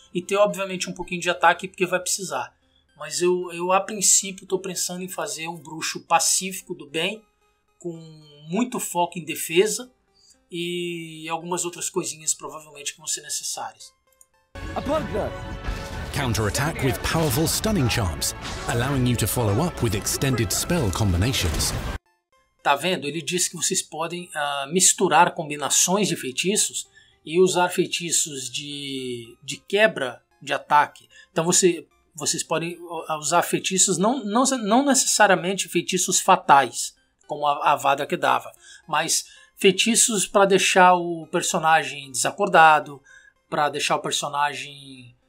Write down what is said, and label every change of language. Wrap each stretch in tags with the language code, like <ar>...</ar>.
<pt>E ter, obviamente, um pouquinho de ataque, porque vai precisar. Mas eu a princípio, estou pensando em fazer um bruxo pacífico do bem, com muito foco em defesa e algumas outras coisinhas, provavelmente, que vão ser necessárias.</pt> <en>Counter-attack with powerful stunning charms, allowing you to follow up with extended spell combinations.</en> <pt>Tá vendo? Ele diz que vocês podem misturar combinações de feitiços e usar feitiços de quebra de ataque. Então vocês podem usar feitiços, não necessariamente feitiços fatais, como a Avada Kedavra, mas feitiços para deixar o personagem desacordado, para deixar o personagem...</pt>